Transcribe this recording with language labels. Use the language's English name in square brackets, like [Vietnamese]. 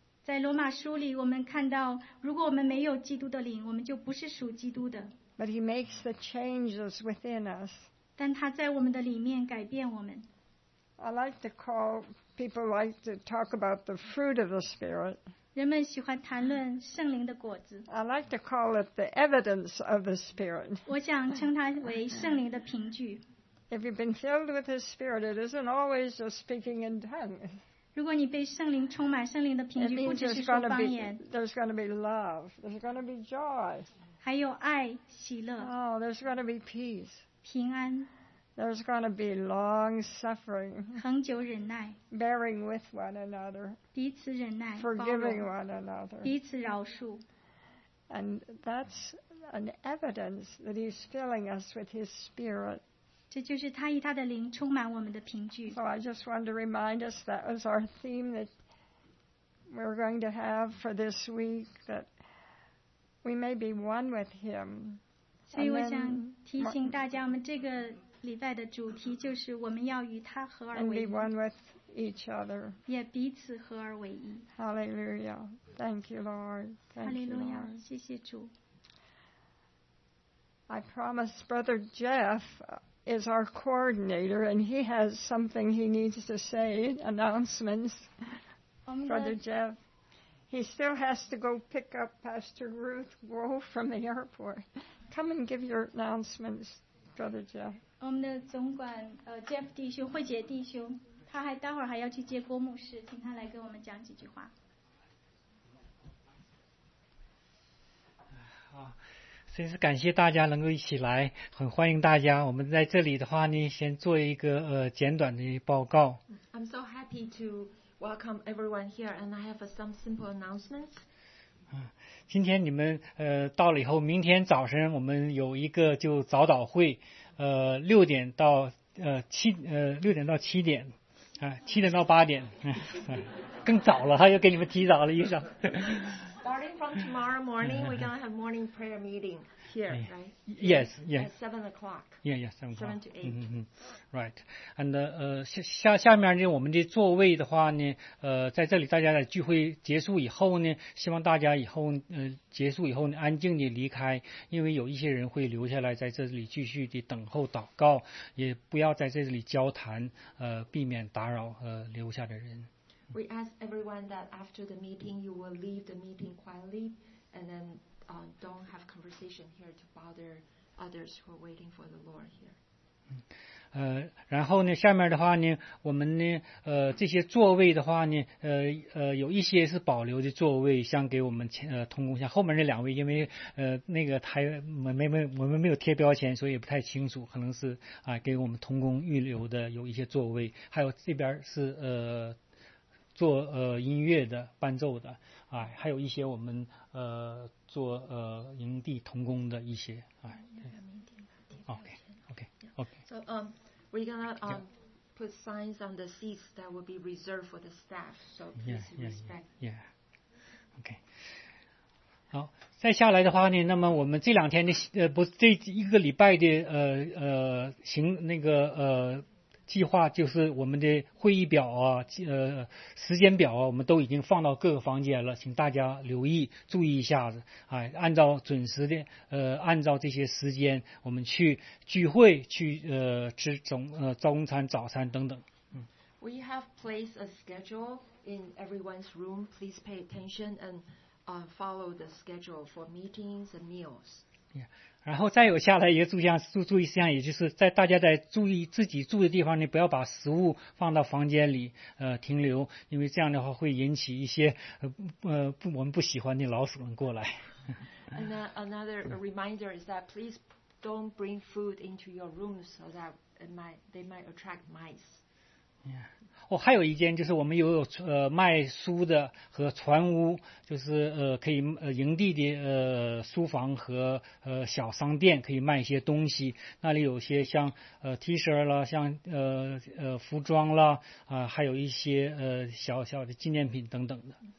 [Chinese] 在罗马书里我们看到，如果我们没有基督的灵，我们就不是属基督的。 [English] But he makes the changes within us. [Chinese] 但他在我们的里面改变我们。 [English] I like to call, people like to talk about the fruit of the Spirit. [Chinese] 人们喜欢谈论圣灵的果子。 [English] I like to call it the evidence of the Spirit. [Chinese] 我想称它为圣灵的凭据。 [English] If you've been filled with the Spirit, it isn't always just speaking in tongues. [Chinese] 如果你被圣灵充满，圣灵的凭据不只是说方言。 [English] It means there's going to be love. There's going to be joy. [Chinese] 还有爱，喜乐。 [English] Oh, there's going to be peace. [Chinese] 平安。 [English] There's going to be long suffering. [Chinese] 恒久忍耐。 [English] Bearing with one another. [Chinese] 彼此忍耐。 [English] Forgiving one another. [Chinese] 彼此饶恕。 [English] And that's an evidence that He's filling us with His Spirit. [Chinese] 这就是他以他的灵充满我们的凭据。 [English] So I just want to remind us that was our theme that we're going to have for this week, that we may be one with him. [Chinese] 所以我想提醒大家，我们这个礼拜的主题就是我们要与他合而为一。 [English] And be one with each other. [Chinese] 也彼此合而为一。 [English] Hallelujah. Thank you, Lord. [Chinese] Hallelujah. 谢谢主。 [English] I promised Brother Jeff... is our coordinator, and he has something he needs to say, announcements. Brother Jeff, he still has to go pick up Pastor Ruth Wolf from the airport. Come and give your announcements, Brother Jeff. [Chinese] 我们的总管Jeff 弟兄，慧杰弟兄，他还待会儿还要去接郭牧师，请他来跟我们讲几句话。真是感谢大家能够一起来，很欢迎大家。我们在这里的话呢，先做一个简短的报告。 [English] I'm so happy to welcome everyone here, and I have some simple announcements. [Chinese] 今天你们到了以后，明天早晨我们有一个就早祷会，六点到七点，七点到八点，更早了，他又给你们提早了一声。 [English] Starting from tomorrow morning, we're going to have morning prayer meeting here, right? Yes, yes. At 7 o'clock. Yeah, yeah, 7 o'clock. 7 to 8. Mm-hmm. Right. [Chinese] And 下面呢，我们的座位的话呢，在这里大家的聚会结束以后呢，希望大家以后结束以后呢，安静地离开，因为有一些人会留下来在这里继续地等候祷告，也不要在这里交谈，避免打扰留下的人。 [English] We ask everyone that after the meeting, you will leave the meeting quietly and then don't have conversation here to bother others who are waiting for the Lord here. [Chinese] 然后呢，下面的话呢，我们呢，这些座位的话呢，有一些是保留的座位，像给我们前通工像后面那两位，因为那个他我们没有贴标签，所以也不太清楚，可能是给我们通工预留的有一些座位，还有这边是做音乐的伴奏的啊，还有一些我们做营地童工的一些啊。 [English] OK. So we're gonna put signs on the seats that will be reserved for the staff. So please respect. Yeah. OK. [Chinese] 好，再下来的话呢，那么我们这两天的不是这一个礼拜的行那个计划就是我们的会议表啊，时间表啊，我们都已经放到各个房间了，请大家留意注意一下子，哎，按照准时的按照这些时间，我们去聚会，去吃中餐、早餐等等。 [English] We have placed a schedule in everyone's room. Please pay attention and follow the schedule for meetings and meals. Yeah. [Chinese] 然后再有下来一个注意事项，也就是在大家在注意自己住的地方呢，不要把食物放到房间里停留，因为这样的话会引起一些我们不喜欢的老鼠们过来。 [English] And another reminder is that please don't bring food into your room so that they might attract mice. Yeah. [Chinese] 哦，还有一间就是我们有卖书的和船屋，就是可以营地的书房和小商店可以卖一些东西，那里有些像T 恤啦，像服装啦还有一些小小的纪念品等等的。